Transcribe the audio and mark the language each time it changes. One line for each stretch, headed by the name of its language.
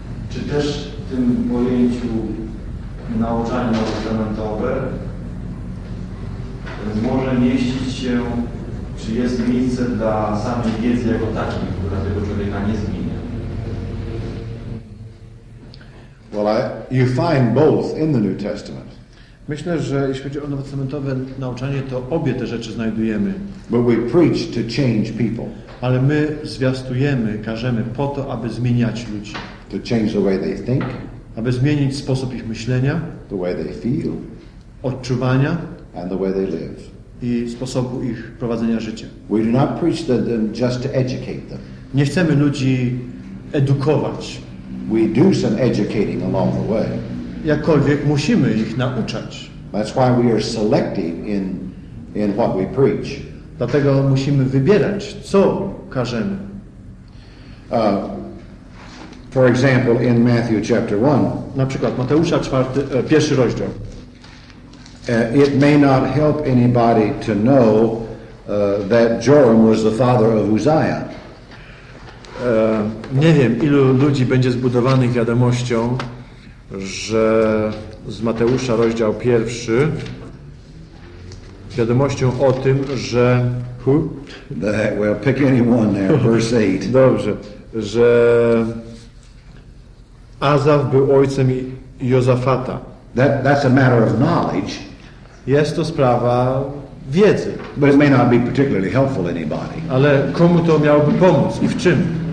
Polish: Czy też w tym pojęciu nauczania nowotestamentowe może mieścić się, czy jest miejsce dla samej wiedzy jako takiej, która tego człowieka nie zmienia?
English: Well, you find both in the New Testament.
Polish: Myślę, że jeśli chodzi o nowotestamentowe nauczanie, to obie te rzeczy znajdujemy.
English: But we preach to change people.
Polish: Ale my zwiastujemy, każemy po to, aby zmieniać ludzi.
English: To change the way they think.
Polish: Aby zmienić sposób ich myślenia.
English: The way they feel.
Polish: Odczuwania.
English: And the way they live.
Polish: I sposobu ich prowadzenia życia.
English: We do not preach to them just to educate them.
Polish: Nie chcemy ludzi edukować.
English: We do some educating along the way.
Polish: Jakkolwiek musimy ich nauczać.
English: That's why we are selective in what we preach.
Polish: Dlatego musimy wybierać, co każemy.
English: For example, in Matthew chapter 1.
Polish: Na przykład Mateusza 4, pierwszy rozdział.
English: It may not help anybody to know that Joram was the father of Uzziah.
Polish: Nie wiem, ilu ludzi będzie zbudowanych wiadomością, że z Mateusza rozdział pierwszy wiadomością o tym, że
English: well, pick anyone there, verse 8.
Polish: Dobrze, że Azaf był ojcem Jozafata.
English: That's a matter of knowledge.
Polish: Jest to sprawa wiedzy.
English: But it may not be particularly helpful anybody.
Polish: Ale komu to miałoby pomóc i w czym?